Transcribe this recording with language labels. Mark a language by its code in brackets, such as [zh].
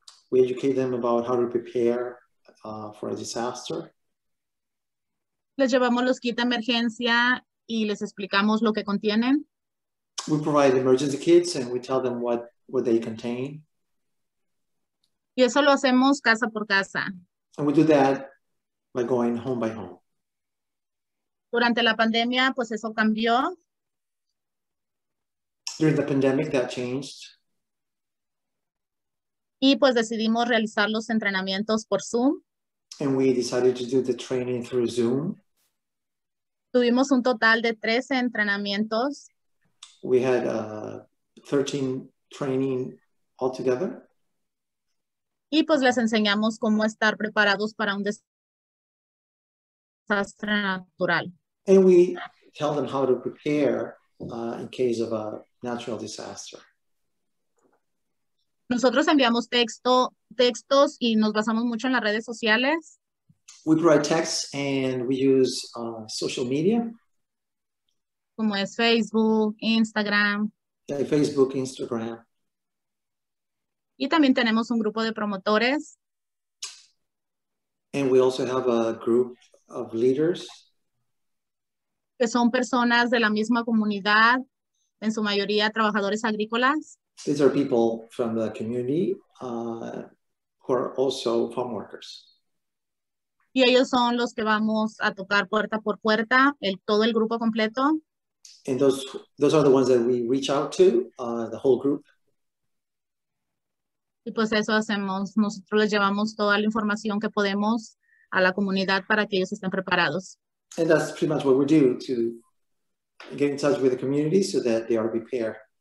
[en] We educate them about how to prepare for a disaster. [es] Les llevamos los kits de emergencia y les explicamos lo que contienen. [en] We provide emergency kits and we tell them what they contain. [es] Y eso lo hacemos casa por casa. [en] And we do that by going home by home. [es] Durante la pandemia, pues eso cambió. [en] During the pandemic, that changed. [es] Y pues decidimos realizar los entrenamientos por Zoom. [en] And we decided to do the training through Zoom. [es] Tuvimos un total de 13 entrenamientos. [en] We had 13 training altogether. [es] Y pues les enseñamos cómo estar preparados para un desastre natural. [en] And we tell them how to prepare in case of a natural disaster. [es] Nosotros enviamos textos y nos basamos mucho en las redes sociales. [en] We provide texts and we use social media. [es] Como es Facebook, Instagram. [en] Yeah, Facebook, Instagram. [es] Y también tenemos un grupo de promotores. [en] And we also have a group of leaders. [es] Que son personas de la misma comunidad, en su mayoría trabajadores agrícolas. [en] These are people from the community who are also farm workers. [es] Y ellos son los que vamos a tocar puerta por puerta, todo el grupo completo. [en] And those are the ones that we reach out to, the whole group. [es] Y pues eso hacemos. Nosotros les llevamos toda la información que podemos a la comunidad para que ellos estén preparados. [en] And that's pretty much what we do, to get in touch with the community so that they are prepared.